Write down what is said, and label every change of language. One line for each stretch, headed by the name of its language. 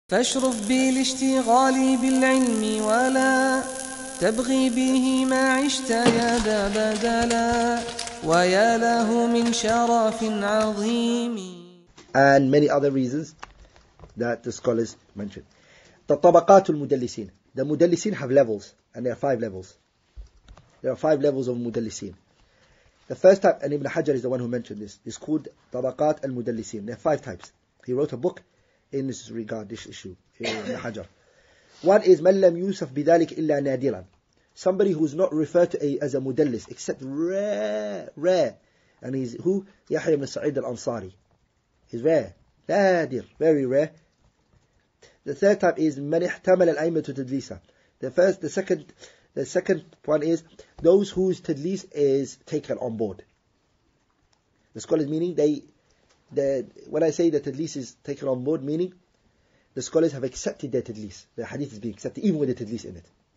Arabic: فاشرف بي لاشتغالي بالعلم ولا تبغي به ما عشت يا ذا بدلا ويا له من شرف عظيم.
English: And many other reasons that the scholars mentioned.
Arabic: The طبقات المدلسين.
English: The مدلسين have levels, and there are five levels. There are five levels of مدلسين. The first type, and Ibn Hajar is the one who mentioned this, is called
Arabic: طبقات المدلسين.
English: There are five types. He wrote a book in this regard, this issue, Ibn Hajar. One is
Arabic: من لم يوصف بذلك إلا نادرا.
English: Somebody who is not referred to as a مدلس, except rare. And he's who? Yahya ibn Sa'id al-Ansari. Is rare, nadir, very rare. The third type is
Arabic: من احتمل الأئمة تدليسا.
English: The second one is those whose tadlis is taken on board. The scholars meaning when I say the tadlis is taken on board, meaning the scholars have accepted their tadlis. The hadith is being accepted even with the tadlis in it.